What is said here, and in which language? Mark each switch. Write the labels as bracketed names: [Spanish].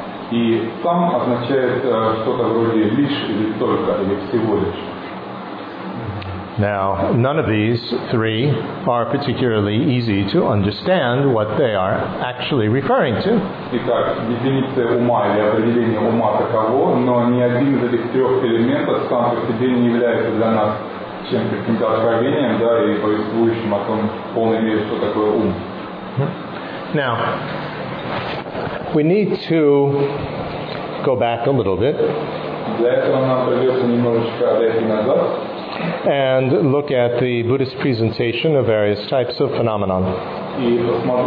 [Russian] И сам означает что-то вроде лишь или только, или всего лишь. [English] Now, none of these three are particularly easy to understand what they are actually referring to. [Russian] Итак, дефиниция ума или определение ума таково, но ни один из этих трех элементов сам по себе не является для нас [English] Now, we need to go back a little bit and look at the Buddhist presentation of various types of phenomena.